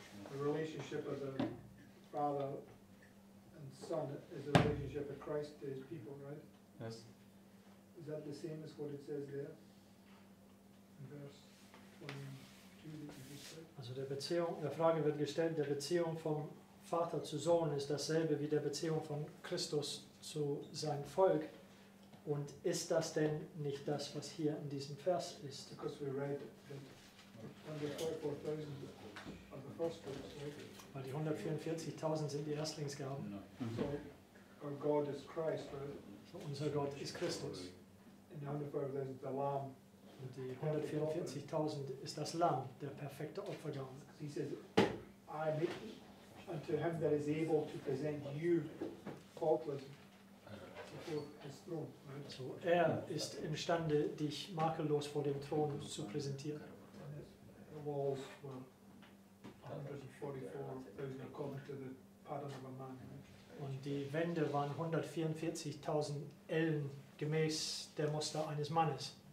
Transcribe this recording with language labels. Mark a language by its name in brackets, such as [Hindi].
[English] The relationship of the Father and Son is the relationship of Christ to his people, right? Yes. Is that the same as what it says there? In verse 22. [German] Also der Beziehung, der Frage wird gestellt, der Beziehung vom Vater zu Sohn ist dasselbe wie der Beziehung von Christus zu seinem Volk. Und ist das denn nicht das, was hier in diesem Vers ist? [English] Because we read that the 44,000 are the first fruits, right? [German] Weil die 144,000 sind die Erstlingsgaben. [English] So, our God is Christ, right? [German] Unser Gott ist Christus. [English] And the 144,000 is the Lamb. [German] Und die 144,000 ist das Lamm, der perfekte Opfergabe. [English] He says, I make unto him that is able to present you faultless before his throne. Right? [German] So er ist imstande, dich makellos vor dem Thron zu präsentieren. [English] And the walls were 144,000 according to the pattern of a man. Right? [German] Und die Wände waren 144.000 Ellen gemäß der Muster eines Mannes.